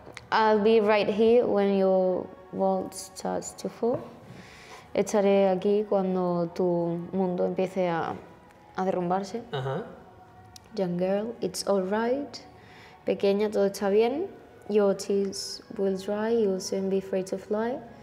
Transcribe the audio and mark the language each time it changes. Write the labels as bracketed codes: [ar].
[en] I'll be right here when your world starts to fall. [es] Estaré aquí cuando tu mundo empiece a derrumbarse. Uh-huh. [en] Young girl, it's all right. [es] Pequeña, todo está bien. [en] Your tears will dry. You'll soon be free to fly.